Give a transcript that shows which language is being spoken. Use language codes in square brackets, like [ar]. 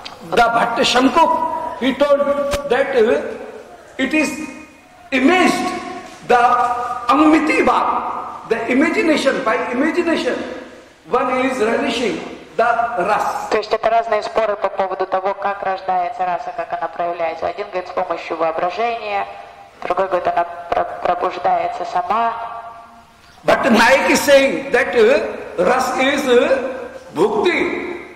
[en] The Bhatta Shankho, he told that it is imaged. The Amitibad, the imagination, by imagination, one is relishing the ras. [ru] То есть это разные споры по поводу того, как рождается раса, как она проявляется. Один говорит с помощью воображения, другой говорит, она пробуждается сама. [en] But Nayak is saying that ras is bhukti.